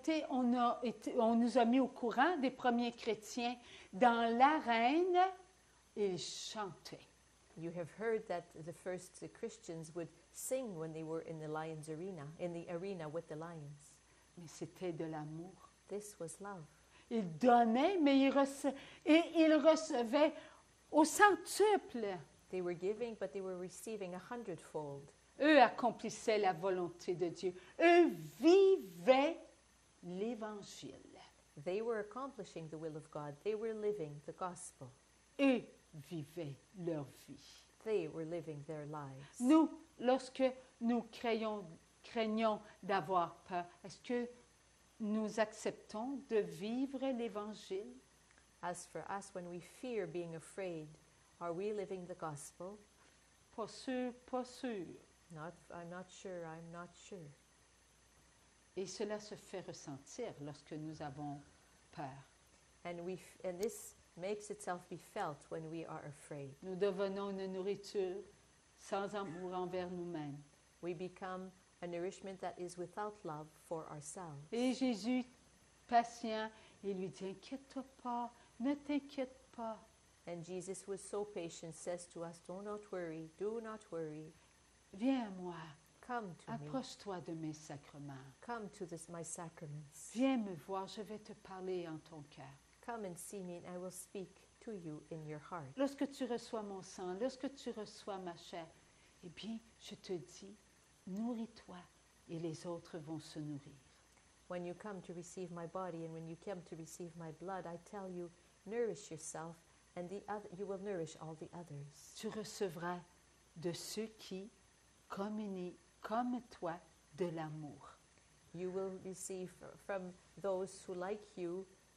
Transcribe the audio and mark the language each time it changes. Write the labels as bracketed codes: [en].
[fr] On nous a mis au courant des premiers chrétiens dans l'arène. Ils chantaient. [en] You have heard that the first Christians would sing when they were in the lion's arena, in the arena with the lions. [fr] Mais c'était de l'amour. [en] This was love. [fr] Ils donnaient, mais ils recevaient au centuple. [en] They were giving, but they were receiving a hundredfold. [fr] Eux accomplissaient la volonté de Dieu. Eux vivaient l'Évangile. [en] They were accomplishing the will of God. They were living the gospel. [fr] Eux vivaient leur vie. [en] They were living their lives. [fr] Nous, lorsque nous craignons d'avoir peur, est-ce que nous acceptons de vivre l'Évangile? [en] As for us, when we fear being afraid, are we living the gospel? [fr] Pas sûr. [en] I'm not sure. [fr] Et cela se fait ressentir lorsque nous avons peur. [en] And this makes itself be felt when we are afraid. [fr] Nous devenons une nourriture sans amour envers nous-mêmes. [en] We become a nourishment that is without love for ourselves. [fr] Et Jésus, patient, il lui dit, inquiète-toi pas, ne t'inquiète pas. [en] And Jesus was so patient, says to us, do not worry. [fr] Viens à moi. [en] Come to me. [fr] Approche-toi de mes sacrements. [en] Come to my sacraments. [fr] Viens me voir, je vais te parler en ton cœur. [en] Come and see me, and I will speak to you in your heart. [fr] Lorsque tu reçois mon sang, lorsque tu reçois ma chair, eh bien, je te dis, nourris-toi, et les autres vont se nourrir. [en] When you come to receive my body, and when you come to receive my blood, I tell you, nourish yourself, and you will nourish all the others. [fr] Tu recevras de ceux qui communient comme toi de l'amour. [en] You will receive from those who like you.